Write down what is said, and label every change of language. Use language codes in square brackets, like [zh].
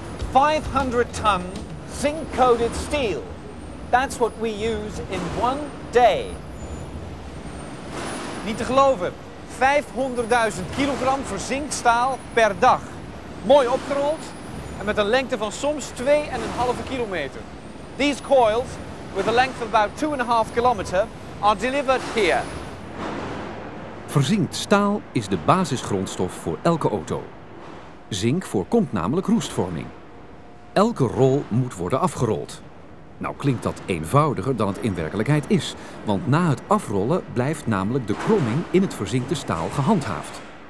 [en] 500 ton zinc-coated steel. That's what we use in one day. [nl] Niet te geloven. 500.000 kilogram verzinkstaal per dag. Mooi opgerold en met een lengte van soms 2,5 kilometer. [en] These coils, with a length of about 2,5 kilometer, are delivered here. [nl] Verzinkt staal is de basisgrondstof voor elke auto. Zink voorkomt namelijk roestvorming. Elke rol moet worden afgerold. Nou klinkt dat eenvoudiger dan het in werkelijkheid is. Want na het afrollen blijft namelijk de kromming in het verzinkte staal gehandhaafd.